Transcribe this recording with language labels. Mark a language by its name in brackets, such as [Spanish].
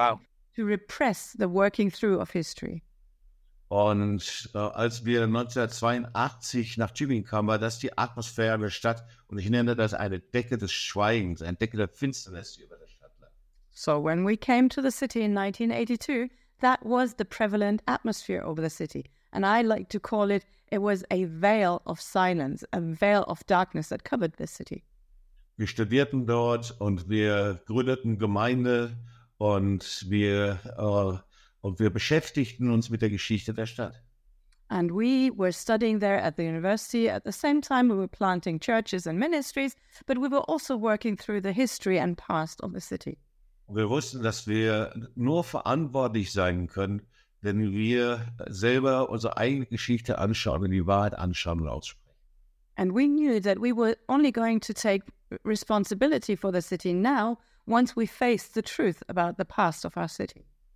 [English] wow. to repress the working through of history. [German] Und als wir 1982 nach Tübingen kamen, war das die Atmosphäre der Stadt. Und ich nenne das eine Decke des Schweigens, eine Decke der Finsternis, die über der Stadt lag. [English] So when we came to the city in 1982, that was the prevalent atmosphere over the city. And I like to call it, it was a veil of silence, a veil of darkness that covered the city. [German] Wir studierten dort und wir gründeten Gemeinde und wir beschäftigten uns mit der Geschichte der Stadt. [English] And we were studying there at the university. At the same time, we were planting churches and ministries, but we were also working through the history and past of the city. [German] Wir wussten, dass wir nur verantwortlich sein können, wenn wir selber unsere eigene Geschichte anschauen, wenn die Wahrheit anschauen und aussprechen. [English] And we knew that we were only going to take responsibility for the city now, once we faced the truth about the past of our city.